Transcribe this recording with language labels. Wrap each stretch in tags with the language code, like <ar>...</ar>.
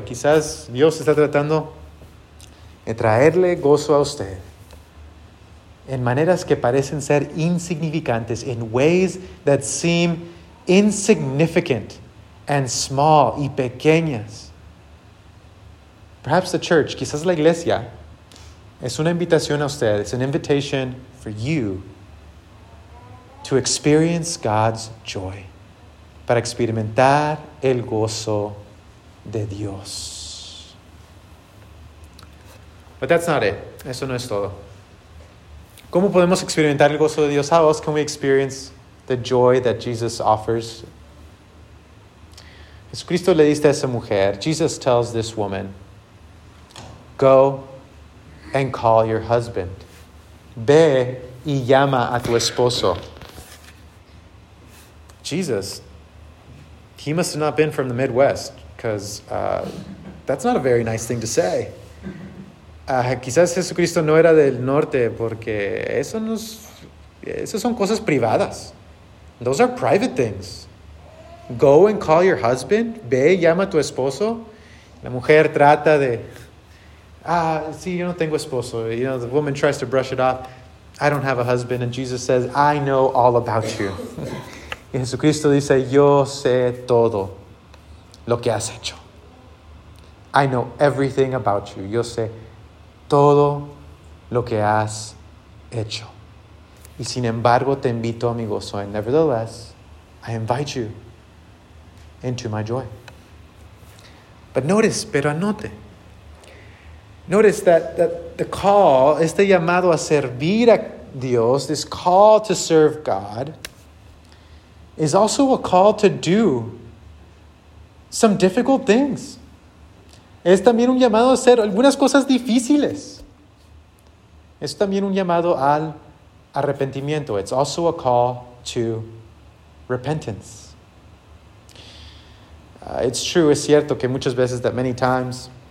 <es>Quizás Dios está tratando de traerle gozo a usted en maneras que parecen ser insignificantes,</es> <en>in ways that seem insignificant and small</en> <es>y pequeñas.</es> <en>Perhaps the church,</en> <es>quizás la iglesia, es una invitación a usted.</es> <en>It's an invitation for you to experience God's joy.</en> <es>Para experimentar el gozo de Dios.</es> <en>But that's not it.</en> <es>Eso no es todo. ¿Cómo podemos experimentar el gozo de Dios?</es> <en>How else can we experience the joy that Jesus offers?</en> <es>Jesucristo le dice a esa mujer.</es> <en>Jesus tells this woman, go and call your husband.</en> <es>Ve y llama a tu esposo.</es> <en>Jesus, he must have not been from the Midwest, because that's not a very nice thing to say.</en> <es>Quizás Jesucristo no era del norte, porque eso son cosas privadas.</es> <en>Those are private things. Go and call your husband.</en> <es>Ve y llama a tu esposo. La mujer trata de... Sí, yo no tengo esposo.</es> <en>You know, the woman tries to brush it off. I don't have a husband. And Jesus says, I know all about you.</en> <es>Y Jesucristo dice, yo sé todo lo que has hecho.</es> <en>I know everything about you.</en> <es>Yo sé todo lo que has hecho. Y sin embargo, te invito a mi gozo.</es> <en>And nevertheless, I invite you into my joy. But notice,</en> <es>pero anote.</es> <en>Notice that the call,</en> <es>este llamado a servir a Dios,</es> <en>this call to serve God, is also a call to do some difficult things.</en> <es>Es también un llamado a hacer algunas cosas difíciles. Es también un llamado al arrepentimiento.</es> <en>It's also a call to repentance. It's true,</en> <es>es cierto que muchas veces,</es> <en>that many times,</en>